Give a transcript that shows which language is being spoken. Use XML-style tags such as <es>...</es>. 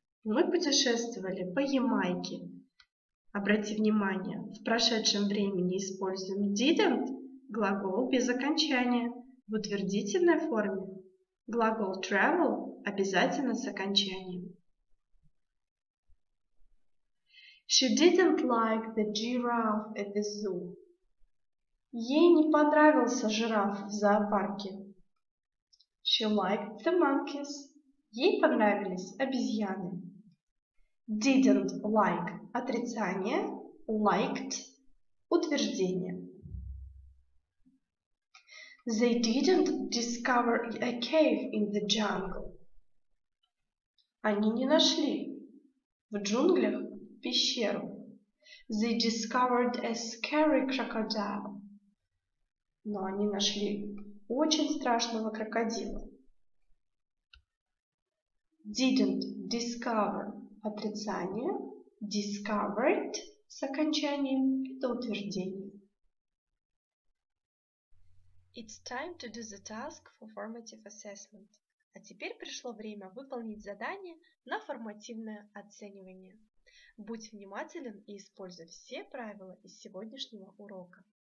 <ru>Мы путешествовали по Ямайке. Обрати внимание, в прошедшем времени используем didn't, глагол без окончания, в утвердительной форме. Глагол travel обязательно с окончанием.</ru> <en>She didn't like the giraffe at the zoo.</en> <ru>Ей не понравился жираф в зоопарке.</ru> <en>She liked the monkeys.</en> <ru>Ей понравились обезьяны. Didn't like – отрицание, liked – утверждение.</ru> <en>They didn't discover a cave in the jungle.</en> <ru>Они не нашли в джунглях пещеру.</ru> <en>They discovered a scary crocodile.</en> <ru>Но они нашли очень страшного крокодила. Didn't discover – отрицание, discovered с окончанием, это утверждение.</ru> <en>It's time to do the task for formative assessment.</en> <ru>А теперь пришло время выполнить задание на формативное оценивание. Будь внимателен и используй все правила из сегодняшнего урока.</ru>